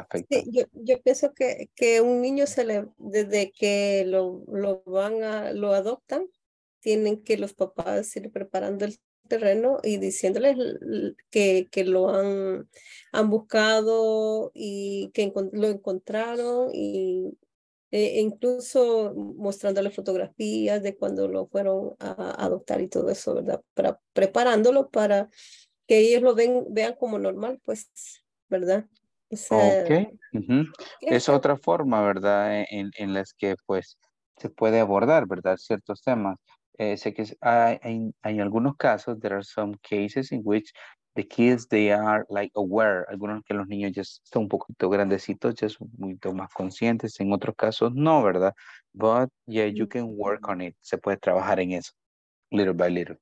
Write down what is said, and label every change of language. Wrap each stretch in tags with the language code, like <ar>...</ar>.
<es>Sí, yo pienso que un niño se le, desde que lo van a lo adoptan, tienen que los papás ir preparando el terreno y diciéndoles que lo han buscado y que lo encontraron y incluso mostrándole fotografías de cuando lo fueron a adoptar y todo eso, ¿verdad? Para preparándolo para que ellos lo vean como normal, pues, ¿verdad? Ok, es otra forma, ¿verdad? En las que pues se puede abordar, ¿verdad? Ciertos temas. Sé que hay algunos casos,</es> <en>there are some cases in which the kids, they are like aware.</en> <es>Algunos que los niños ya están un poquito grandecitos, ya son mucho más conscientes. En otros casos, no, ¿verdad?</es> <en>But yeah, you can work on it.</en> <es>Se puede trabajar en eso,</es> <en>little by little.</en>